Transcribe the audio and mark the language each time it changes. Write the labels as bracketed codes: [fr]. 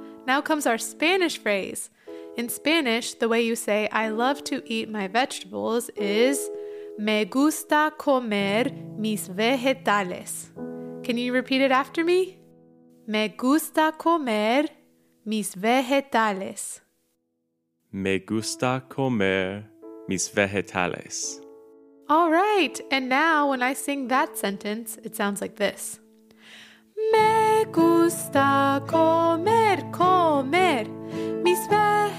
[en] Now comes our Spanish phrase. In Spanish, the way you say, I love to eat my vegetables is, [es] me gusta comer mis vegetales. [en] Can you repeat it after me? [es] Me gusta comer mis vegetales. Me gusta comer mis vegetales. [en] All right, and now when I sing that sentence, it sounds like this. [es] Me gusta comer, comer mis vegetales,